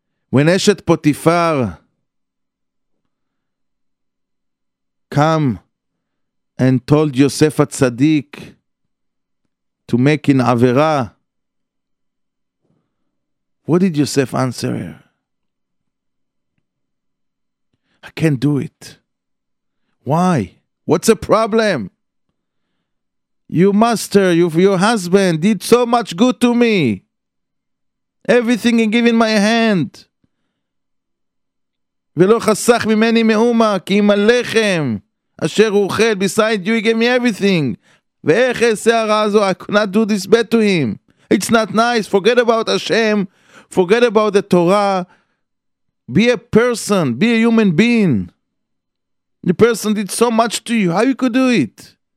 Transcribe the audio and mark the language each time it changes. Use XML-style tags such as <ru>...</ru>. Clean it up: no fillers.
<en>When Eshet Potifar come and told Yosef HaTzadik to make an Avera, what did Yosef answer her? I can't do it. Why? What's the problem? Your master, your husband did so much good to me. Everything he gave in my hand.</en> <he>ולא חסך ממני מאומה, כי אם הלחם אשר הוא אוכל,</he> <en>beside you, he gave me everything.</en> <he>ואיך אעשה הרע הזו?</he> <en>I could not do this bad to him. It's not nice. Forget about Hashem. Forget about the Torah. Be a person. Be a human being. The person did so much to you. How you could do it?</en>